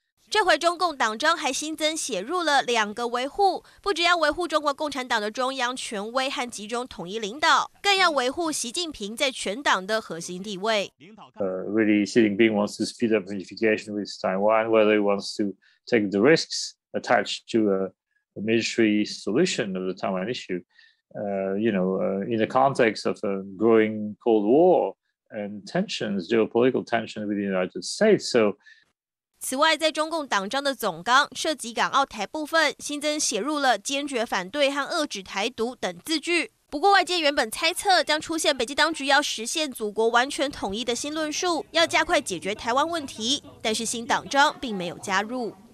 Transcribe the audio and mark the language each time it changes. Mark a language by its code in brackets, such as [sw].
[zh] 这回中共党章还新增写入了2个维护，不只要维护中国共产党的中央权威和集中统一领导，更要维护习近平在全党的核心地位。 [en] Really, Xi Jinping wants to speed up unification with Taiwan. Whether he wants to take the risks attached to a military solution of the Taiwan issue. In the context of a growing Cold War and tensions, geopolitical tensions with the United States. So, [zh] 此外，在中共党章的总纲涉及港澳台部分，新增写入了坚决反对和遏制台独等字句。不过，外界原本猜测将出现北京当局要实现祖国完全统一的新论述，要加快解决台湾问题，但是新党章并没有加入。